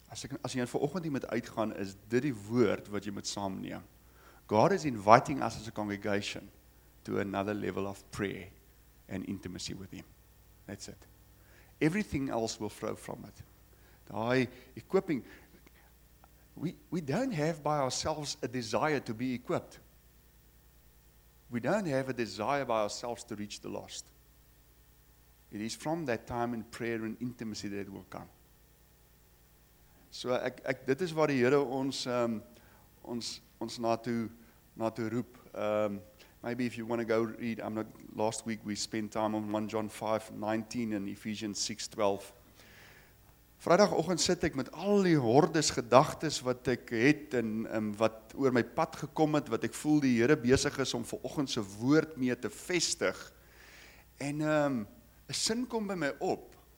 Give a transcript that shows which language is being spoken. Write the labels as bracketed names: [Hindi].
[Afrikaans] As jy in vanoggend hier moet uitgaan, is dit die woord wat jy moet saamneem. [English] God is inviting us as a congregation to another level of prayer and intimacy with him. That's it. Everything else will flow from it. Daai equipping, we don't have by ourselves a desire to be equipped. We don't have a desire by ourselves to reach the lost. It is from that time in prayer and intimacy that it will come. [Afrikaans] So ek dit is waar die Here ons na toe roep. [English] Maybe if you want to go read, last week we spent time on 1 John 5:19 and Ephesians 6:12. [Afrikaans] Vrydagoggend sit ek met al die hordes gedagtes wat ek het en wat oor my pad gekom het, wat ek voel die Here besig is om vanoggend se woord mee te vestig. En 'n sin kom by my op.